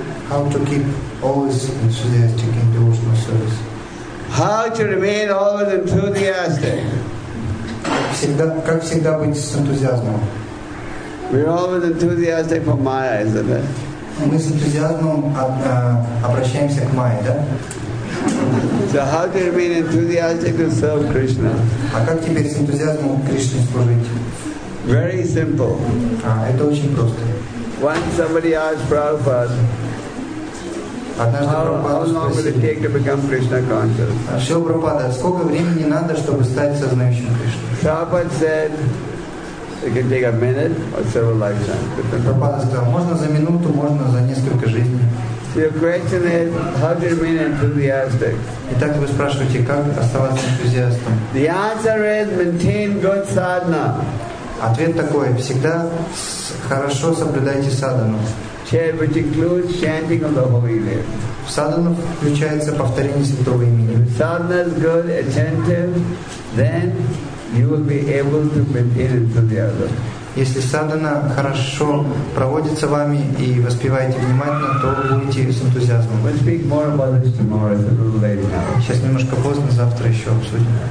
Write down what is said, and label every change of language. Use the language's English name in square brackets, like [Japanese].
[English] How to keep always enthusiastic in devotional service? How to remain always enthusiastic? [Russian] Как всегда быть с энтузиазмом? [English] We're always enthusiastic for Maya, isn't it? [Russian] Мы с энтузиазмом обращаемся к Майе, да? [English] So how do you mean enthusiastic to serve Krishna? [Russian] А как теперь с энтузиазмом Кришне служить? [English] Very simple. [Russian] Это очень просто. [English] Once somebody asked Prabhupada, how long will it take to become Krishna conscious? [Russian] Шрила Прабхупада, сколько времени надо, чтобы стать сознающим Кришной? [English] Prabhupada said, it can take a minute or several lifetimes. [Russian] Прабхупада сказал, можно за минуту, можно за несколько жизней. [English] So your question is, how do you remain enthusiastic? [Russian] Итак, вы спрашиваете, как оставаться энтузиастом? [English] The answer is, maintain good sadhana. [Russian] Ответ такой, всегда хорошо соблюдайте садхану. [English] Which includes chanting of the holy name. [Russian] В садхану включается повторение святого имени. [English] If sadhana is good, attentive, then you will be able to maintain enthusiasm. [Russian] Если садхана хорошо проводится вами и воспеваете внимательно, то вы будете с энтузиазмом. [English] We'll speak more about this tomorrow, a little later. [Russian] Сейчас немножко поздно, завтра еще обсудим.